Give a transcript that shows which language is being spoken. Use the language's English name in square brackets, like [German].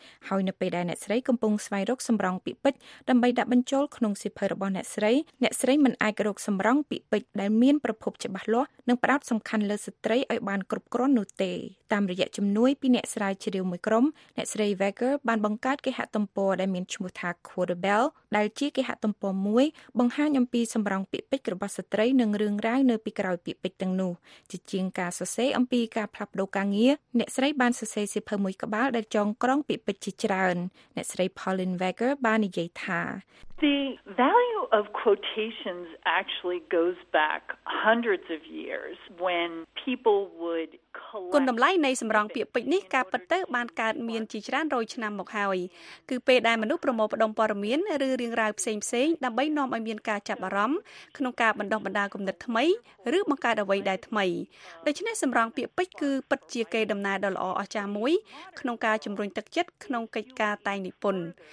[Khmer] ហើយនៅពេលដែលអ្នកស្រីកំពុងស្វែងរកសម្រងពាក្យពេចន៍ដើម្បីដាក់បញ្ចូលក្នុងសៀវភៅរបស់អ្នកស្រីអ្នកស្រីមិនអាចរកសម្រងពាក្យពេចន៍ដែលមានប្រភពច្បាស់លាស់និងប្រោតសំខាន់លើស្ត្រីឲ្យបានគ្រប់គ្រាន់នោះទេតាមរយៈជំនួយពីអ្នកស្រាវជ្រាវមួយក្រុមអ្នកស្រី Wegger បានបង្កើតគេហទំព័រដែលមានឈ្មោះថា Quotable ដែលជាគេហទំព័រមួយបង្ហាញំពីសម្រងពាក្យពេចន៍របស់ស្ត្រីនិងរឿងរ៉ាវនៅពីក្រោយពាក្យពេចន៍ទាំងនោះជាជាងការសរសេរអំពីការផ្លាប់ដូការងារអ្នកស្រីបានសរសេរសៀវភៅមួយក្បាលដែលចងក្រងពាក្យពេចន៍ជាច្រើនអ្នកស្រី Pauline Wegger បាននិយាយថា [English] The value of quotations actually goes back hundreds of years when people would [Khmer] គុណតម្លៃនៃសម្រងពាក្យពេចន៍នេះការពិតទៅបានកើតមានជាច្រើនរយឆ្នាំមកហើយគឺពេលដែលមនុស្សប្រមូលផ្ដុំព័ត៌មានឬរឿងរ៉ាវផ្សេងៗដើម្បីនាំឲ្យមានការចាប់អារម្មណ៍ក្នុងការបណ្ដុះបណ្ដាលគំនិតថ្មីឬបង្កើតអ្វីដែលថ្មីដូច្នេះសម្រងពាក្យពេចន៍គឺពិតជាកេរដំណែលដ៏ល្អអស្ចារ្យមួយក្នុងការជំរុញទឹកចិត្តក្នុងកិច្ចការតែងនិពន្ធ